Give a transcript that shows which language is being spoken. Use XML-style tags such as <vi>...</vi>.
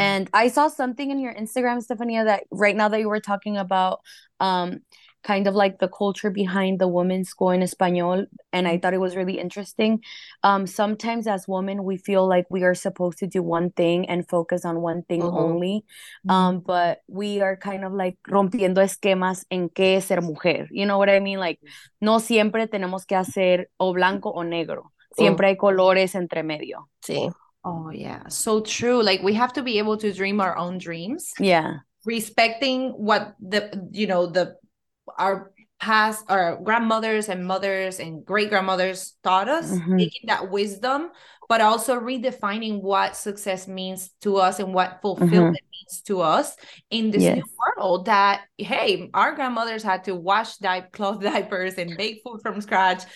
<en>And I saw something in your Instagram, Estefania, that right now that you were talking about kind of like the culture behind the Women's School in Español. And I thought it was really interesting. Sometimes as women, we feel like we are supposed to do one thing and focus on one thing only. But we are kind of like</en> <es>rompiendo esquemas en qué es ser mujer.</es> <en>You know what I mean?</en> <es>Like, no siempre tenemos que hacer o blanco o negro. Siempre hay colores entre medio. Sí.</es> <en>Oh, yeah. So true. Like, we have to be able to dream our own dreams. Yeah. Respecting what the, you know, the, our past, our grandmothers and mothers and great grandmothers taught us, taking that wisdom, but also redefining what success means to us and what fulfillment means to us in this new world that, hey, our grandmothers had to wash cloth diapers and bake food from scratch.</en>